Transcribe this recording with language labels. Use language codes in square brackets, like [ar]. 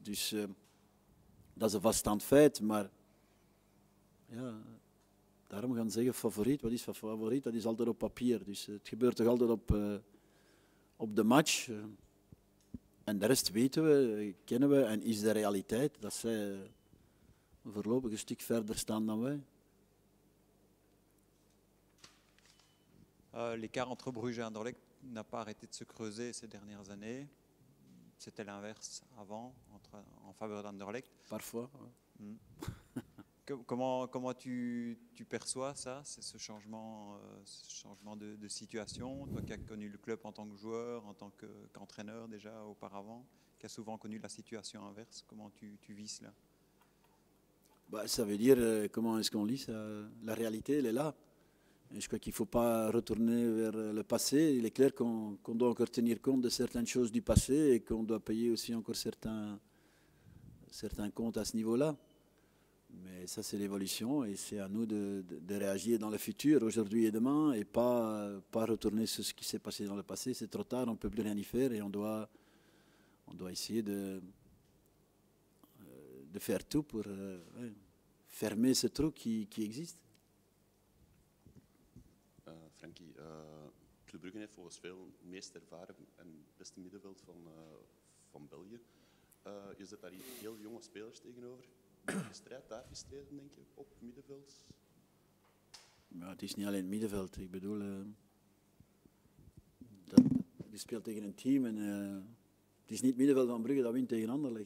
[nl] Dus dat is een vaststaand feit, maar ja, daarom gaan zeggen favoriet. Wat is favoriet? Dat is altijd op papier. Dus het gebeurt toch altijd op de match. En de rest weten we, kennen we en is de realiteit dat zij voorlopig een stuk verder staan dan wij. [fr] L'écart entre Bruges et Anderlecht n'a pas arrêté de se creuser ces dernières années. C'était l'inverse avant, en faveur d'Anderlecht. Parfois. Ouais. Mm. comment tu perçois ça, c'est ce changement de situation, toi qui as connu le club en tant que joueur, en tant qu'entraîneur déjà auparavant, qui as souvent connu la situation inverse, comment tu vis cela? Bah, ça veut dire comment est-ce qu'on lit ça? La réalité, elle est là. Et je crois qu'il ne faut pas retourner vers le passé. Il est clair qu'on doit encore tenir compte de certaines choses du passé et qu'on doit payer aussi encore certains comptes à ce niveau-là. Mais ça, c'est l'évolution et c'est à nous de réagir dans le futur, aujourd'hui et demain, et pas retourner sur ce qui s'est passé dans le passé. C'est trop tard, on ne peut plus rien y faire et on doit essayer de faire tout pour fermer ce trou qui existe. [nl] Frankie, Club Brugge heeft volgens veel meest ervaren en beste middenveld van België. Je zet daar heel jonge spelers tegenover. De strijd daar gestreden, denk je, op middenveld? Ja, het is niet alleen het middenveld. Ik bedoel, je speelt tegen een team en het is niet het middenveld van Brugge dat wint tegen Anderlecht.